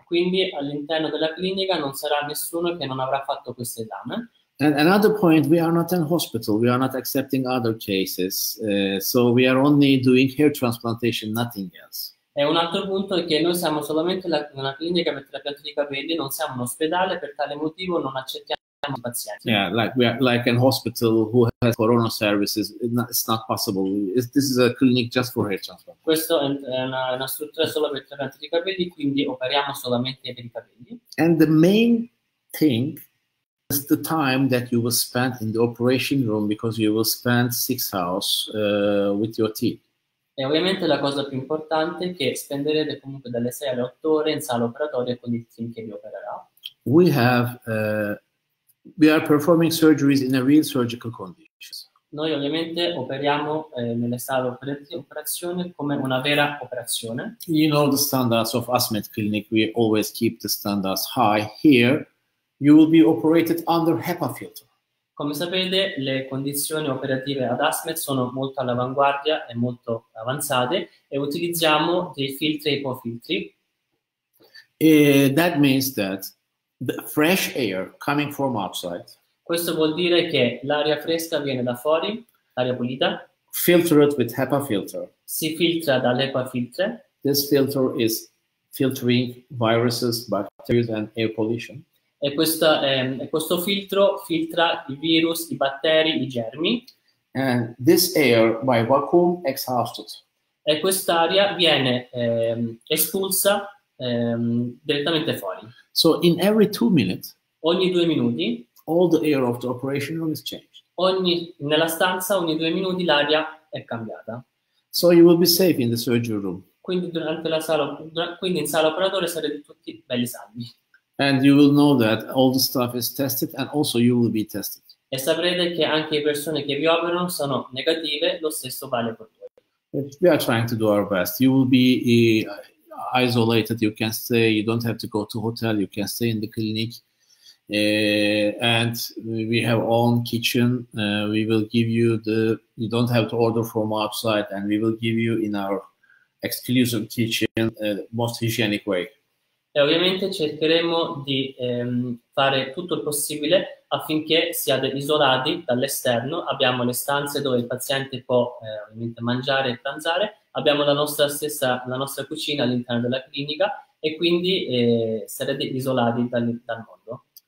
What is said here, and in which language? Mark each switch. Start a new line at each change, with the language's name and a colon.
Italian: Quindi all'interno della clinica non sarà nessuno che non avrà fatto questo esame.
English: And another point, we are not in hospital, we are not accepting other cases, so we are only doing hair transplantation, nothing else.
Italian: E un altro punto è che noi siamo solamente una clinica per trapianto di capelli, non siamo un ospedale, per tale motivo non accettiamo.
English: Yeah, like we are like an hospital who has corona services. It's not possible. This is a clinic just for hair transplant.
Italian: Questo è una struttura solo per trapianti di capelli, quindi operiamo solamente per i capelli.
English: And the main thing is the time that you will spend in the operation room, because you will spend 6 hours with your teeth.
Italian: E ovviamente la cosa più importante è che spenderete comunque dalle 6 alle 8 ore in sala operatoria con il team che vi opererà.
English: We have we are performing surgeries in a real surgical condition.
Italian: Noi ovviamente operiamo nelle sale operazione come una vera operazione.
English: You know the standards of ASMED clinic, we always keep the standards high. Here you will be operated under HEPA filter.
Italian: Come sapete, le condizioni operative ad ASMED sono molto all'avanguardia e molto avanzate e utilizziamo dei filtri e ipofiltri.
English: That means that the fresh air coming from outside.
Italian: Questo vuol dire che l'aria fresca viene da fuori, l'aria pulita.
English: Filtered with HEPA filter.
Italian: Si filtra dall'HEPA filter.
English: This filter is filtering viruses, bacteria and air pollution.
Italian: E questa, questo filtro filtra i virus, i batteri, i germi.
English: And this air by vacuum exhausted.
Italian: E quest'aria viene espulsa direttamente fuori.
English: So in every 2 minutes,
Italian: ogni 2 minuti,
English: all the air of the operation room is changed.
Italian: Nella stanza ogni 2 minuti l'aria è cambiata.
English: So you will be safe in the surgery room.
Italian: Quindi durante la sala, quindi in sala operatore sarete tutti belli salvi.
English: And you will know that all the staff is tested, and also you will be tested.
Italian: E saprete che anche le persone che vi operano sono negative, lo stesso vale per voi.
English: We are trying to do our best. You will be isolated, you can stay, you don't have to go to hotel, you can stay in the clinic. And we have own kitchen, we will give you you don't have to order from outside, and we will give you in our exclusive kitchen the most hygienic way.
Italian: E ovviamente cercheremo di fare tutto il possibile affinché siate isolati dall'esterno. Abbiamo le stanze dove il paziente può ovviamente mangiare e pranzare, abbiamo la nostra cucina all'interno della clinica, e quindi sarete isolati dal mondo.